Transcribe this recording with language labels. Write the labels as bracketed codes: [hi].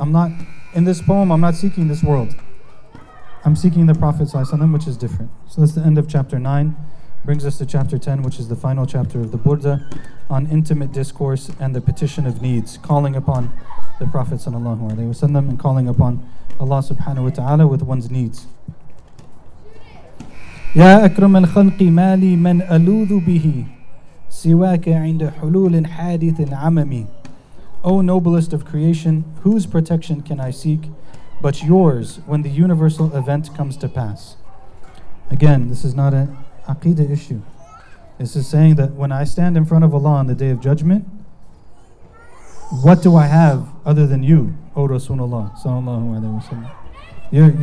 [en] I'm not, in this poem, I'm not seeking this world. I'm seeking the Prophet Sallallahu Alaihi Wasallam, which is different. So that's the end of chapter 9. Brings us to chapter 10, which is the final chapter of the Burdah, on intimate discourse and the petition of needs, calling upon the Prophet Sallallahu Alaihi Wasallam and calling upon Allah Subhanahu Wa Ta'ala with one's needs. [ar] يا أكرم الخلق مالي من ألوذ به سواك عند حلول حادث عممي. [en] O noblest of creation, whose protection can I seek but yours when the universal event comes to pass? Again, this is not an aqidah issue. This is saying that when I stand in front of Allah on the Day of Judgment, what do I have other than you, O Rasulullah sallallahu alayhi wa sallam?